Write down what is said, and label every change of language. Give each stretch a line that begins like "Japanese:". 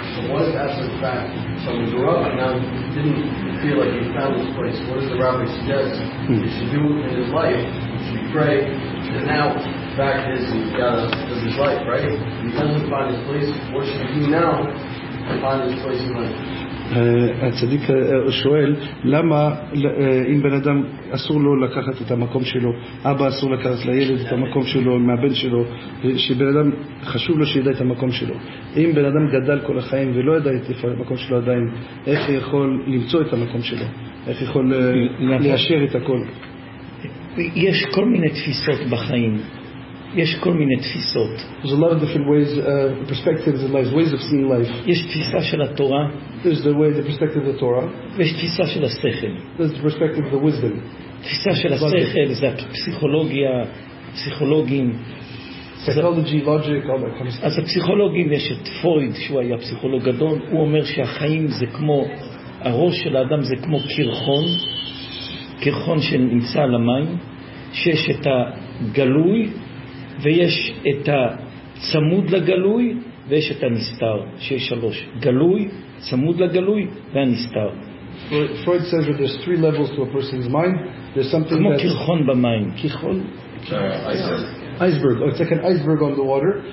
English: So what if that's the fact? Someone grew up and now didn't feel like he found this place. What does the rabbi suggest he should do in his life? He should pray. And now the fact is he's got his life, right? He doesn't find his place. What should he do now to find his place in life?
Hebrew: הצדיק שואל למה אם בן אדם אסור לו לקחת את המקום שלו, אבא אסור לקחת לילד את המקום שלו מהבן שלו, שבן אדם חשוב לו שידע את המקום שלו. אם בן אדם גדל כל החיים ולא ידע את המקום שלו עדיין, איך יכול למצוא את המקום שלו? איך יכול ליישר את הכל? יש כל מיני תפיסות בחיים. יש כל מיני תפיסות.
English: There's a lot of different ways, perspectives in life, ways of seeing life.
Hebrew: יש תפיסה של התורה.
English: There's the way, the perspective of the Torah.
Hebrew: ויש תפיסה של השכל.
English: There's the perspective of the wisdom.
Hebrew: תפיסה של השכל זה הפסיכולוגיה, פסיכולוגים.
English: Psychology, logic, all that kind of stuff.
Hebrew: אז הפסיכולוגים, יש את פרויד, שהוא היה פסיכולוג גדול, הוא אומר שהחיים זה כמו, הראש של האדם זה כמו קרחון, קרחון שנמצא על המים, שיש את הגלוי, ויש את הצמוד לגלוי ויש את הנסתר, שיש שלוש, גלוי, צמוד לגלוי והנסתר.
English: Freud says that there's three levels to a person's mind. There's something
Hebrew: כמו קרחון במים. קרחון?
English: Iceberg. Oh, it's like an iceberg on the water.